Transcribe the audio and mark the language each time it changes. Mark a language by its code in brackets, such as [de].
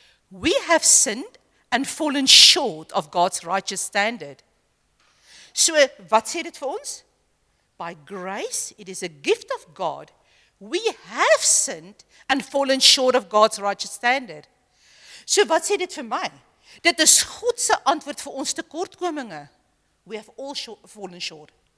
[en] We have sinned and fallen short of God's righteous standard. [af] So, wat sê dit vir ons? [en] By grace it is a gift of God. We have sinned and fallen short of God's righteous standard. [af] So, wat sê dit vir my? Dit is God se antwoord vir ons tekortkominge. [en] We have all fallen short.